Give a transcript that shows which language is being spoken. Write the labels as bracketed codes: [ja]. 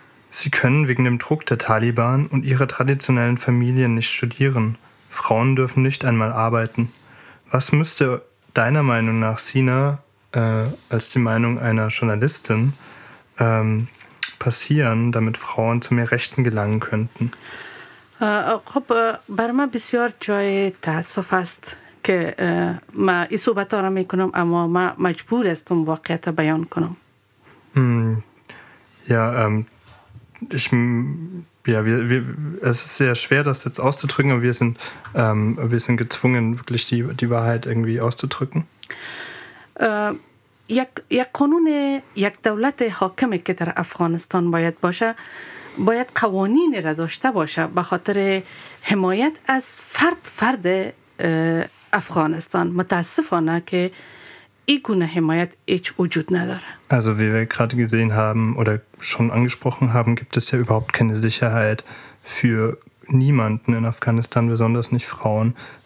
[de] Sie können wegen dem Druck der Taliban und ihrer traditionellen Familien nicht studieren. Frauen dürfen nicht einmal arbeiten. Was müsste deiner Meinung nach, Sina, als die Meinung einer Journalistin, passieren, damit Frauen zu mehr Rechten gelangen könnten? [fa] خب بر ما بسیار جای تأسف است که ما این صحبت ها را میکنم، اما ما مجبور استم واقعیت بیان کنم. [de] Es ist sehr schwer, das jetzt auszudrücken, aber wir sind gezwungen, wirklich die Wahrheit irgendwie auszudrücken. [fa] یک قانون، یک دولت حاکمی که در افغانستان باید باشه، باید قوانین را داشته باشه به خاطر حمایت از فرد افغانستان. متاسفانه که این گونه حمایت هیچ وجود نداره. [de] Also wie wir gerade gesehen haben oder schon angesprochen haben, gibt es ja überhaupt keine Sicherheit für niemanden in Afghanistan, besonders nicht Frauen.